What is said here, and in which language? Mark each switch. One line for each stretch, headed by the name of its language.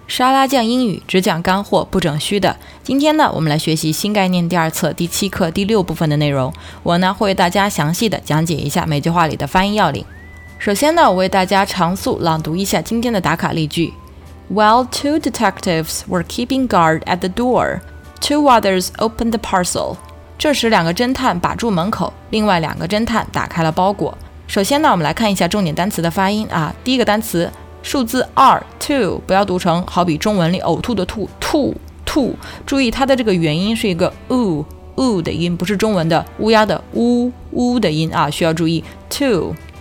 Chinese: 沙拉酱英语只讲干货，不整虚的。今天呢，我们来学习新概念第二册第七课第六部分的内容。我呢会为大家详细的讲解一下每句话里的发音要领。首先呢，我为大家长速朗读一下今天的打卡例句。
English: While two detectives were keeping guard at the door, two others opened the parcel.
Chinese: 这时两个侦探把住门口，另外两个侦探打开了包裹。首先呢，我们来看一下重点单词的发音啊。第一个单词，数字二 two， 不要读成好比中文里呕吐的吐 吐。注意它的这个元音是一个 u 的音，不是中文的乌鸦的呜的音啊，需要注意 two。